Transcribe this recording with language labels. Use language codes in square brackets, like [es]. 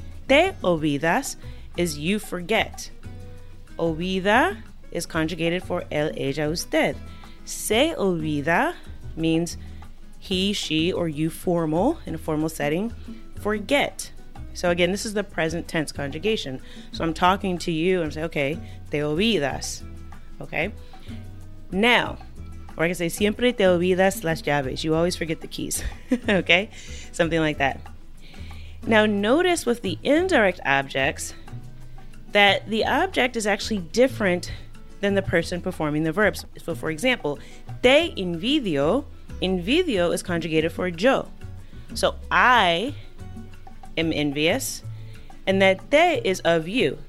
[en] Te olvidas is you forget. Olvida is conjugated for él, ella, usted. Se olvida means he, she, or you formal, in a formal setting, forget. So again, this is the present tense conjugation. So I'm talking to you, and I'm saying, okay, te olvidas. Okay? Now, or I can say, [es] siempre te olvidas las llaves. [en] You always forget the keys. Okay? Something like that. Now, notice with the indirect objects that the object is actually different than the person performing the verbs. So for example, te envidio, envidio is conjugated for yo. So I am envious, and that te is of you.